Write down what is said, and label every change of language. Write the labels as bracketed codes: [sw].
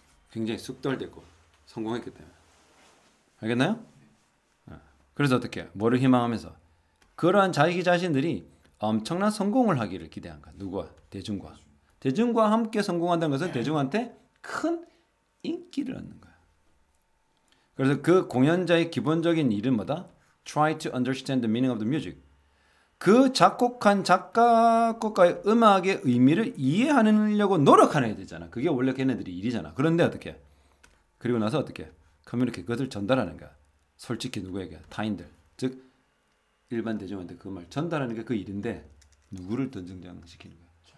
[ko] 굉장히 숙달되고 성공했기 때문에. 알겠나요? 그래서 어떻게 해? 뭐를 희망하면서? 그러한 자기 자신들이 엄청난 성공을 하기를 기대한 거야. 누구와? 대중과. 대중과 함께 성공한다는 것은 대중한테 큰 인기를 얻는 거야. 그래서 그 공연자의 기본적인 일은 뭐다? [en] Try to understand the meaning of the music. [ko] 그 작곡한 작곡가의 음악의 의미를 이해하려고 노력하는 애들이잖아. 그게 원래 걔네들이 일이잖아. 그런데 어떻게? 그리고 나서 어떻게? 커뮤니케이션 그것을 전달하는 거야. 솔직히 누구에게? 타인들. 즉 일반 대중한테 그말 전달하는 게그 일인데 누구를 더 등장시키는 거야?